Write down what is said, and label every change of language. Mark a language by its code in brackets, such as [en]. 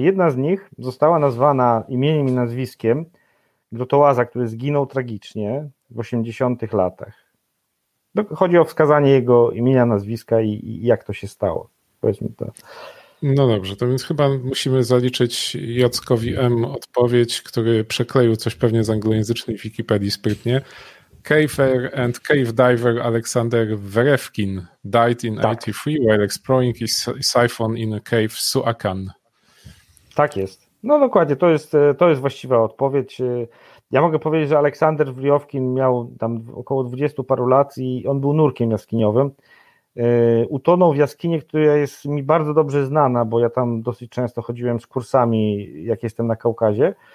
[pl] Jedna z nich została nazwana imieniem i nazwiskiem grotołaza, który zginął tragicznie w 80-tych latach. Chodzi o wskazanie jego imienia, nazwiska i jak to się stało. Powiedzmy to. No dobrze, to więc chyba musimy zaliczyć Jackowi M. odpowiedź, który przekleił coś pewnie z anglojęzycznej Wikipedii sprytnie. [en] Caver and cave diver Alexander Verevkin died in 83 while exploring his siphon in a cave Suakan. [pl] Tak jest. No dokładnie, to jest właściwa odpowiedź. Ja mogę powiedzieć, że Aleksander Wriowkin miał tam około 20 paru lat i on był nurkiem jaskiniowym. Utonął w jaskini, która jest mi bardzo dobrze znana, bo ja tam dosyć często chodziłem z kursami, jak jestem na Kaukazie.